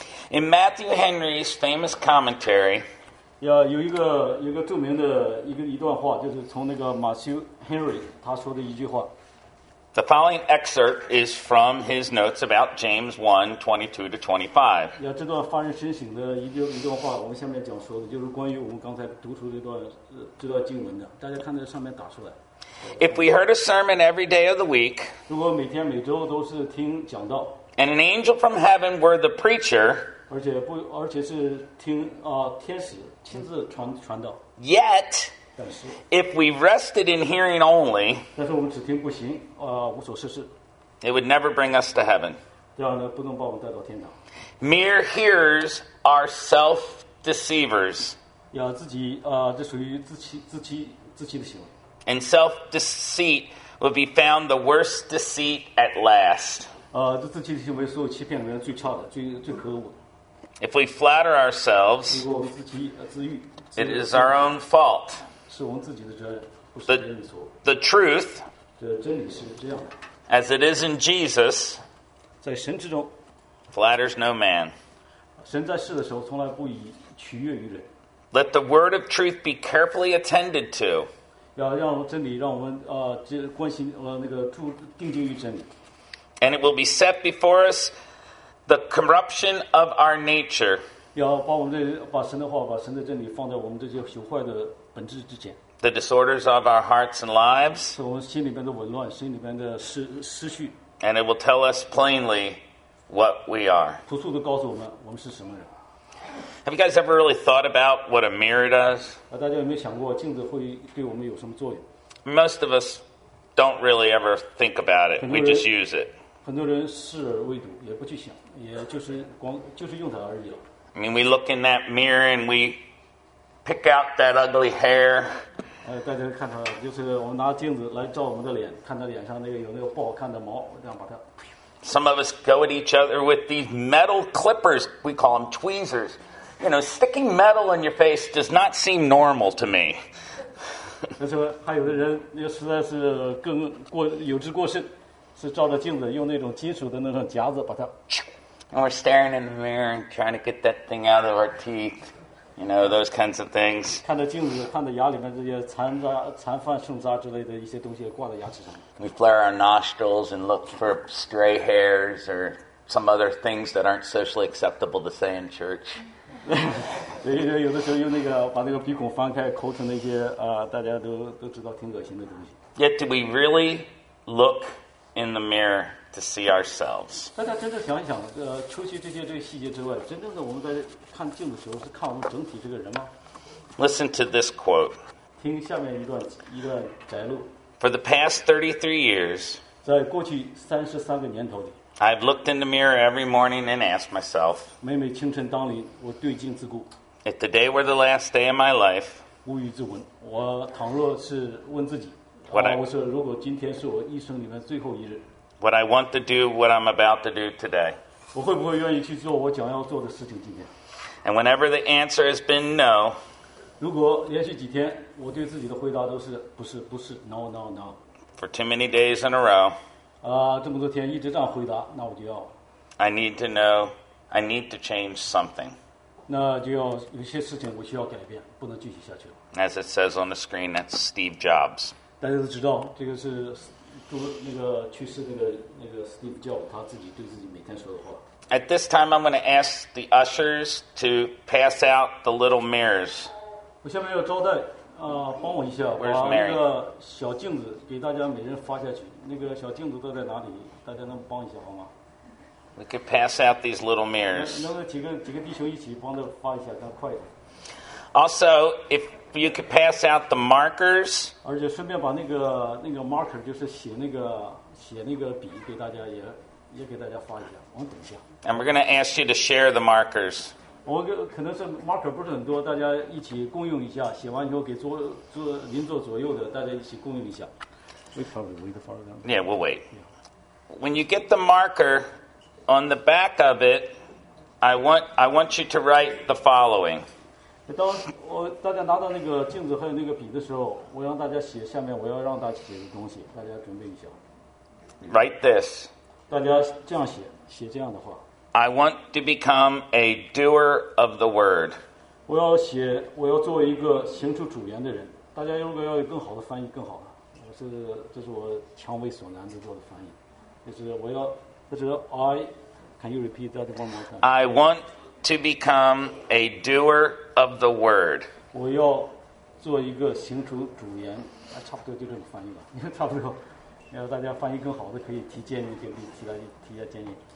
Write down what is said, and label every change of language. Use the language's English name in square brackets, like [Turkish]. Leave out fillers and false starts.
[English] In Matthew Henry's famous commentary, [Chinese] yeah, 有一个著名的一段话，就是从那个马修 Henry 他说的一句话。 [English] The following excerpt is from his notes about James 1:22-25. [Chinese] Yeah, 这段发人深省的一段话，我们下面讲说的就是关于我们刚才读出这段经文的，大家看在上面打出来。 [English] If we heard a sermon every day of the week, [Chinese] 如果每天每周都是听讲道, [English] and an angel from heaven were the preacher, [Chinese] 而且是听天使亲自传道, [English] yet, [Chinese] 但是, [English] if we rested in hearing only, [Chinese] 但是我们只听不行, 无所事事, [English] it would never bring us to heaven. [Chinese] 这样呢,不能把我们带到天堂。 [English] Mere hearers are self-deceivers. [Chinese] 要自己, 这属于自欺的行为。 [English] And self-deceit would be found the worst deceit at last. [Chinese] 自欺的行为是欺骗人最差的，最可恶的。 [English] If we flatter ourselves, [Chinese] 如果我们自欲 [English] it is our own fault. [Chinese] 是我们自己的责任，不是别人的错误。 [English] The truth, [Chinese] 这真理是这样的。 [English] As it is in Jesus, [Chinese] 在神之中, [English] flatters no man. [Chinese] 神在世的时候从来不以取悦于人。 [English] Let the word of truth be carefully attended to. [Chinese] 要让真理让我们关心那个注定睛于真理。 [English] And it will be set before us the corruption of our nature. [Chinese] 要把我们这把神的话把神的真理放在我们这些朽坏的本质之前。 [English] The disorders of our hearts and lives. [Chinese] 是我们心里边的紊乱，心里边的思绪。 [English] And it will tell us plainly what we are. [Chinese] 突出的告诉我们我们是什么人。 [English] Have you guys ever really thought about what a mirror does? [Chinese] 大家有没有想过镜子会对我们有什么作用？ [English] Most of us don't really ever think about it. We just use it. [Chinese] 很多人视而未睹，也不去想，也就是光就是用它而已了。 [English] I mean, we look in that mirror and we pick out that ugly hair. [Chinese] 大家看它，就是我们拿镜子来照我们的脸，看它脸上那个有那个不好看的毛，这样把它。 [English] Some of us go at each other with these metal clippers. We call them tweezers. You know, sticking metal in your face does not seem normal to me. [Chinese] 但是还有的人实在是更过有志过甚，是照着镜子用那种金属的那种夹子把它。 [English] And we're staring in the mirror and trying to get that thing out of our teeth. You know, those kinds of things. [Chinese] 看着镜子，看着牙里面这些残渣、残饭剩渣之类的一些东西挂在牙齿上。 [English] We flare our nostrils and look for stray hairs or some other things that aren't socially acceptable to say in church. [Chinese] 有的时候用那个把那个鼻孔翻开口吐那些大家都知道挺恶心的东西。 [English] Yet do we really look in the mirror to see ourselves? [Chinese] 大家真的想一想除去这些细节之外真正的我们在看镜的时候是看我们整体这个人吗 [English] Listen to this quote. [Chinese] 听下面一段摘录。 [English] For the past 33 years, [Chinese] 在过去33个年头里 [English] I've looked in the mirror every morning and asked myself, [Chinese] 每每清晨当临，我对镜自顾。 [English] If the day were the last day of my life, [Chinese] 无语自问，我倘若是问自己，啊，我说如果今天是我一生里面最后一日。 [English] Would I want to do what I'm about to do today? [Chinese] 我会不会愿意去做我将要做的事情今天？ [English] And whenever the answer has been no, [Chinese] 如果连续几天，我对自己的回答都是不是不是 [English] no no no, for too many days in a row, [Chinese] 这么多天一直这样回答，那我就要。 [English] I need to know. I need to change something. [Chinese] 那就要有些事情我需要改变，不能继续下去了。 [English] As it says on the screen, that's Steve Jobs. [Chinese] 大家都知道，这个是那个去世那个 Steve Jobs 他自己对自己每天说的话。 [English] At this time, I'm going to ask the ushers to pass out the little mirrors. [Chinese] 我下面要招待。帮我一下，把那个小镜子给大家每人发下去。那个小镜子都在哪里？大家能帮一下好吗 [English] ？We could pass out these little mirrors. [Chinese] 能不能几个弟兄一起帮着发一下，更快一点 [English] ？Also, if you could pass out the markers. [Chinese] 而且顺便把那个 marker， 就是写那个笔给大家也给大家发一下。我们等一下。 [English] And we're going to ask you to share the markers. [Chinese] 我可能是 marker 不是很多，大家一起共用一下。写完以后给桌邻座左右的，大家一起共用一下。 [English] Yeah, we'll wait. When you get the marker on the back of it, I want you to write the following. [Chinese] 当我大家拿到那个镜子还有那个笔的时候，我让大家写下面我要让大家写的东西，大家准备一下。 [English] Write this. [Chinese] 大家这样写，写这样的话。 [English] I want to become a doer of the word. [Chinese] 我要写，我要作为一个行出主言的人。大家如果要有更好的翻译，更好了。这是我强为所难的做的翻译。 [English] Can you repeat that one more time? I want to become a doer of the word. [Chinese] 我要做一个行出主言，差不多就这个翻译吧。差不多，要大家翻译更好的，可以提建议，就提下建议。